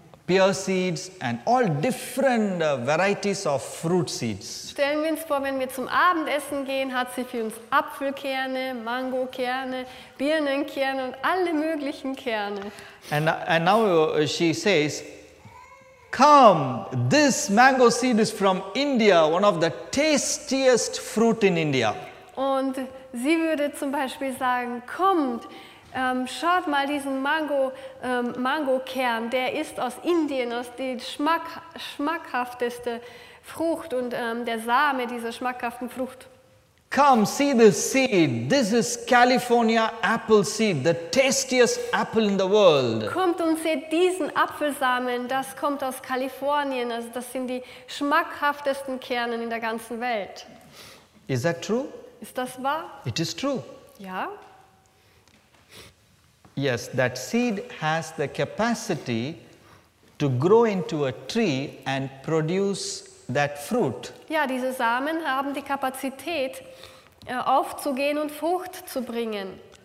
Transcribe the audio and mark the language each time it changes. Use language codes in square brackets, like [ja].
[en] pear seeds and all different varieties of fruit seeds. [de] Stellen wir uns vor, wenn wir zum Abendessen gehen, hat sie für uns Apfelkerne, Mangokerne, Birnenkerne und alle möglichen Kerne. [en] And now she says, come, this mango seed is from India, one of the tastiest fruit in India. [de] Und sie würde zum Beispiel sagen, kommt, schaut mal diesen Mangokern, der ist aus Indien, aus der schmackhafteste Frucht und der Same dieser schmackhaften Frucht. [en] Come, see this seed. This is California apple seed, the tastiest apple in the world. [de] Kommt und seht diesen Apfelsamen, das kommt aus Kalifornien, also das sind die schmackhaftesten Kerne in der ganzen Welt. [en] Is that true? [de] Ist das wahr? [en] It is true. [de] Ja. [en] Yes, that seed has the capacity to grow into a tree and produce that fruit. [de] Ja, diese Samen haben die Kapazität, aufzugehen und Frucht zu bringen.